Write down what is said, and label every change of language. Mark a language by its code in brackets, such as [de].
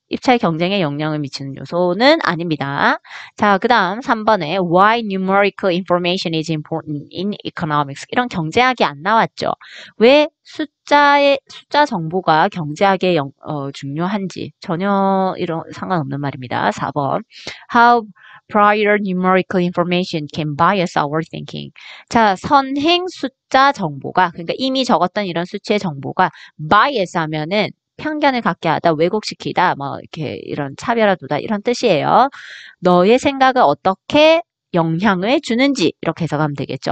[ko] 입찰 경쟁에 영향을 미치는 요소는 아닙니다. 자, 그다음 3번에 [en] why numerical information is important in economics. [ko] 이런 경제학이 안 나왔죠. 왜 숫자 정보가 경제학에 중요한지 전혀 이런 상관없는 말입니다. 4번. [en] How prior numerical information can bias our thinking. [ko] 자, 선행 숫자 정보가 그러니까 이미 적었던 이런 수치의 정보가 bias 하면은 편견을 갖게 하다, 왜곡시키다, 뭐, 이렇게, 이런, 차별화도다, 이런 뜻이에요. 너의 생각을 어떻게 영향을 주는지, 이렇게 해석하면 되겠죠.